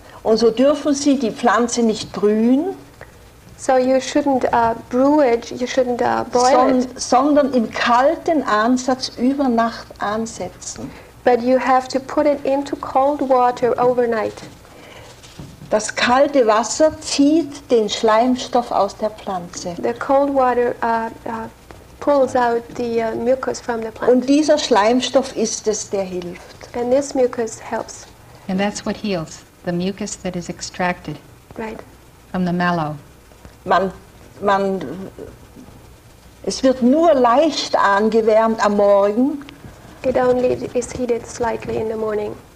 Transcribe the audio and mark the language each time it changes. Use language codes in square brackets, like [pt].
[de] Und so dürfen Sie die Pflanze nicht brühen. [en] So you shouldn't brew it, you shouldn't boil it. [de] Sondern im kalten Ansatz über Nacht ansetzen. [en] But you have to put it into cold water overnight. [de] Das kalte Wasser zieht den Schleimstoff aus der Pflanze. [en] The cold water pulls out the mucus from the plant. [de] Und dieser Schleimstoff ist es, der hilft. [en] And this mucus helps. And that's what heals, the mucus that is extracted. Right. From the mallow. [de] Man, es wird nur leicht angewärmt am Morgen. [en] It only is heated slightly in the morning.